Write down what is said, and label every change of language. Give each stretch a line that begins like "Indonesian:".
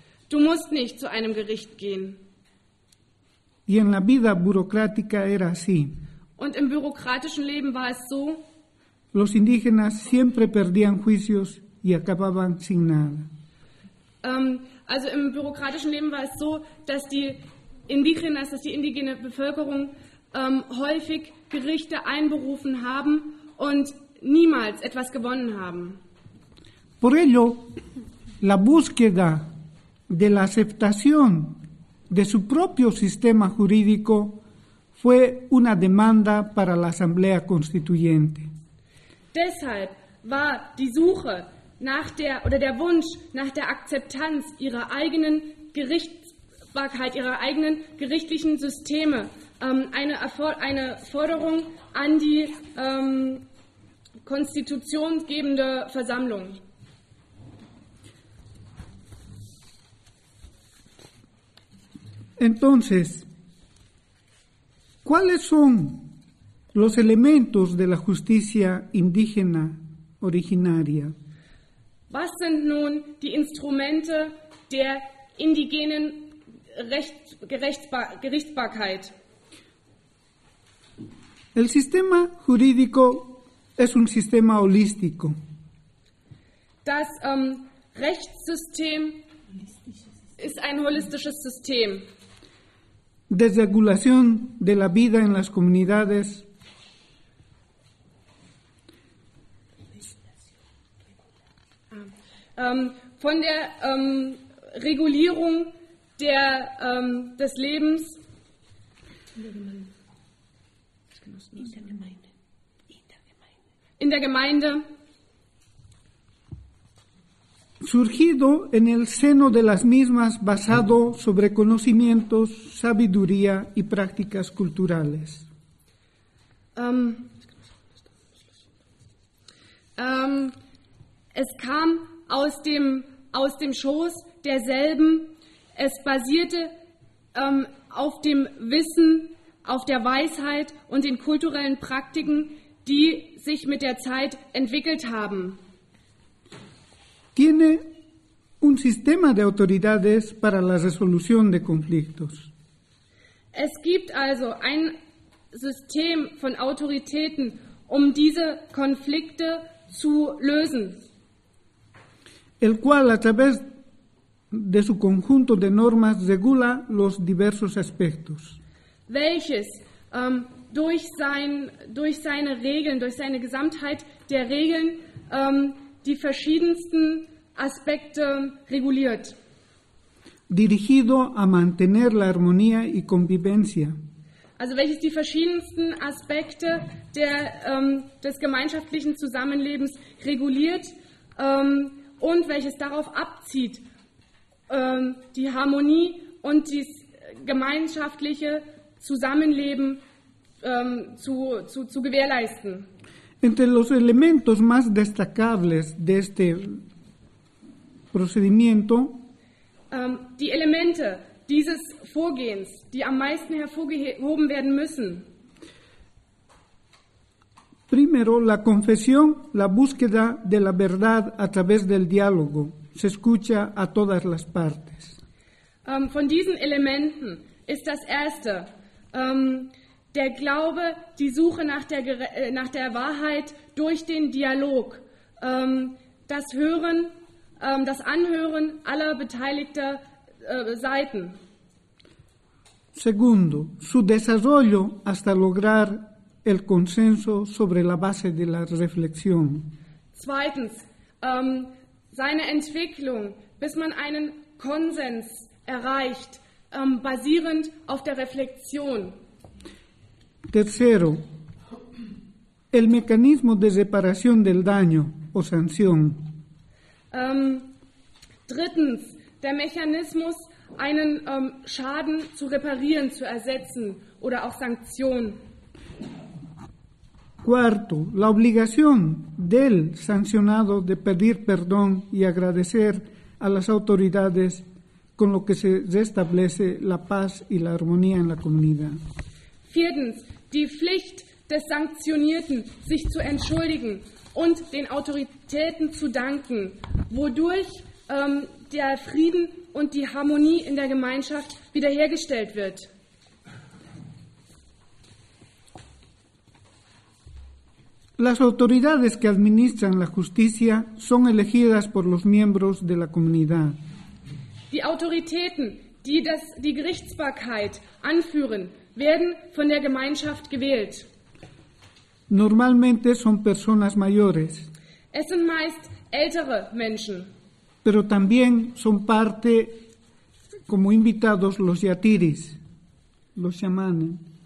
German: Du musst nicht zu einem Gericht gehen.
Spanish: Y en la vida burocrática era así.
German: Und im bürokratischen Leben war es so.
Spanish: Los indígenas siempre perdían juicios y acababan sin nada.
German: Also im bürokratischen Leben war es so, dass die indigene Bevölkerung häufig Gerichte einberufen haben und niemals etwas gewonnen haben.
Spanish: Por ello, la búsqueda de la aceptación de su propio sistema jurídico fue una demanda para la Asamblea Constituyente.
German: Deshalb war die Suche nach der oder der Wunsch nach der Akzeptanz ihrer eigenen Gerichtsbarkeit, ihrer eigenen gerichtlichen Systeme eine Forderung an die konstitutionsgebende Versammlung.
Spanish: Entonces, ¿cuáles son los elementos de la justicia indígena originaria?
German: Was sind nun die Instrumente der indigenen Gerichtsbarkeit?
Spanish: El sistema jurídico es un sistema holístico.
German: Das Rechtssystem ist ein holistisches System.
Spanish: Desde regulación de la vida en las comunidades.
German: Von der Regulierung der des Lebens. In der Gemeinde.
Spanish: Surgido en el seno de las mismas basado sobre conocimientos, sabiduría y prácticas culturales. Um,
German: Es kam aus dem Schoß derselben. Es basierte auf dem Wissen, auf der Weisheit und den kulturellen Praktiken, die sich mit der Zeit entwickelt haben.
Spanish: Tiene un sistema de autoridades para la resolución de conflictos.
German: Es gibt also ein System von Autoritäten, um diese Konflikte zu lösen.
Spanish: El cual a través de su conjunto de normas regula los diversos aspectos.
German: Welches durch seine Regeln, durch seine Gesamtheit der Regeln die verschiedensten Aspekte reguliert.
Spanish: Dirigido a mantener la armonía y convivencia.
German: Also welches die verschiedensten Aspekte des gemeinschaftlichen Zusammenlebens reguliert und welches darauf abzieht, die Harmonie und das gemeinschaftliche Zusammenleben zu gewährleisten.
Spanish: Entre los elementos más destacables de este procedimiento,
German: die Elemente dieses Vorgehens, die am meisten hervorgehoben werden müssen.
Spanish: Primero, la confesión, la búsqueda de la verdad a través del diálogo. Se escucha a todas las partes.
German: Von diesen Elementen ist das erste, der Glaube, die Suche nach der Wahrheit durch den Dialog, das Hören, das Anhören aller beteiligten Seiten.
Spanish: Segundo, su desarrollo hasta lograr el consenso sobre la base de la reflexión.
German: Zweitens, seine Entwicklung, bis man einen Konsens erreicht, basierend auf der Reflexion.
Spanish: Tercero, el mecanismo de reparación del daño o sanción.
German: Drittens, der Mechanismus, einen Schaden zu reparieren, zu ersetzen oder auch Sanktionen.
Spanish: Cuarto, la obligación del sancionado de pedir perdón y agradecer a las autoridades, con lo que se restablece la paz y la armonía en la comunidad.
German: Viertens, die Pflicht des Sanktionierten, sich zu entschuldigen und den Autoritäten zu danken, wodurch der Frieden und die Harmonie in der Gemeinschaft wiederhergestellt wird.
Spanish: Las autoridades que administran la justicia son elegidas por los miembros de la comunidad.
German: Die Autoritäten, die die Gerichtsbarkeit anführen, werden von der Gemeinschaft gewählt.
Spanish: Normalmente son personas mayores.
German: Es sind meist ältere Menschen.
Spanish: Pero también son parte como invitados los yatiris, los chamanes.